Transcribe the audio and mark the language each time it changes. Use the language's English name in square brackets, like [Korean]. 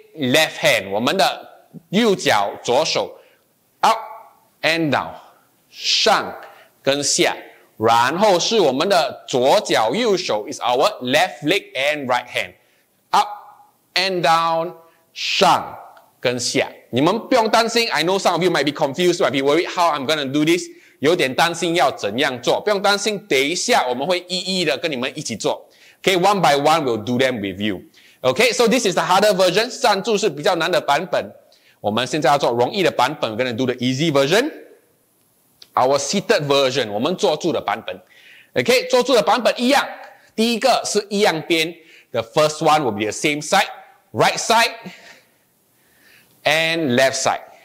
[English] Left hand, [Chinese] 我们的右脚左手 [English] up and down, [Chinese] 上跟下，然后是我们的左脚右手 [English] is our left leg and right hand, up and down, [Chinese] 上跟下。你们不用担心 [English] ,I know some of you might be confused, might be worried how I'm gonna do this, [Chinese] 有点担心要怎样做。不用担心，等一下我们会一一的跟你们一起做。 [English] Okay, one by one, we'll do them with you. Okay, so this is the harder version. [Chinese] 站住是比较难的版本。我们现在要做容易的版本。 [English] We're gonna do the easy version. Our seated version. [Chinese] 我们坐住的版本。Okay, 坐住的版本一样。第一个是一样边。 [English] The first one will be the same side. Right side. And left side.